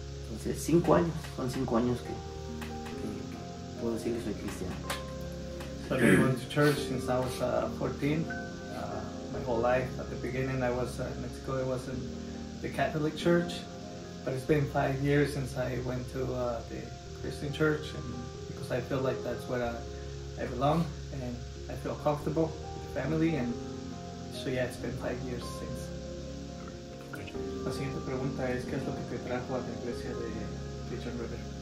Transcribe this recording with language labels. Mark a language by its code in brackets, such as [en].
[es] Entonces, 5 años, son 5 años que puedo decir que soy cristiano. [en] So I've been going to church since I was 14, my whole life. At the beginning, I was in Mexico, I was in the Catholic Church. But it's been 5 years since I went to the Christian Church, and because I feel like that's where I belong, and I feel comfortable with the family. And so yeah, it's been 5 years since. [es] La siguiente pregunta es, ¿qué es lo que te trajo a la iglesia de John River?